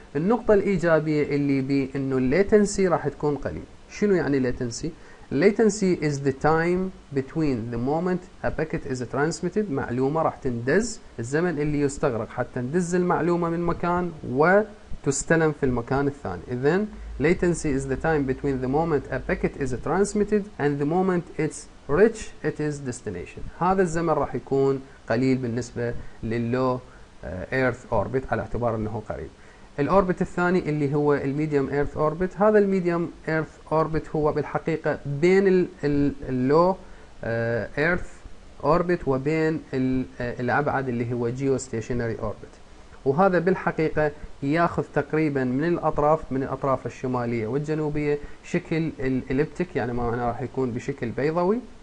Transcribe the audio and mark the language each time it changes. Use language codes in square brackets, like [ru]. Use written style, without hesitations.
[ar] النقطة الإيجابية اللي بي إنه latency راح تكون قليل. شنو يعني latency؟ [en] latency is the time between the moment a packet is transmitted، [ar] معلومة راح تندز، الزمن اللي يستغرق حتى ندز المعلومة من مكان وتستلم في المكان الثاني. إذن [en] latency is the time between the moment a packet is transmitted and the moment it's reach it is destination. [ar] هذا الزمن راح يكون قليل بالنسبة للو ايرث اوربت على اعتبار انه قريب. الاوربت الثاني اللي هو الميديوم ايرث اوربت، هذا الميديوم ايرث اوربت هو بالحقيقة بين اللو ايرث اوربت وبين الابعد اللي هو جيو ستيشنري اوربت، وهذا بالحقيقة ياخذ تقريبا من الاطراف، من الاطراف الشمالية والجنوبية، شكل الاليبتيك، يعني ما معناه راح يكون بشكل بيضوي.